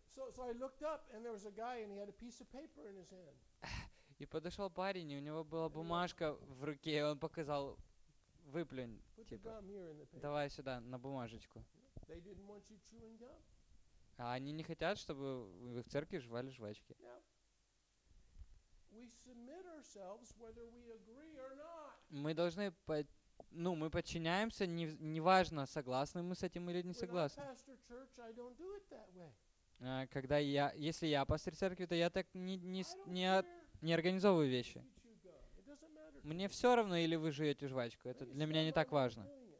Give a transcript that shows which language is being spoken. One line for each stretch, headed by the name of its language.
English: So I looked up and there was a guy and he had a piece of paper in his hand.
Russian: И подошел парень, и у него была бумажка в руке, и он показал, выплюнь, типа, давай сюда, на бумажечку.
English: They didn't want you chewing gum.
Russian: А они не хотят, чтобы в их церкви жевали жвачки.
English: We submit ourselves whether we agree or not.
Russian: Мы должны мы подчиняемся, неважно, согласны мы с этим или не согласны.
English: When I pastor church, I don't do it that way.
Russian: Когда я, если я пастор церкви, то я так не организовываю вещи. Мне все равно, или вы жуете жвачку. Это для меня не так важно.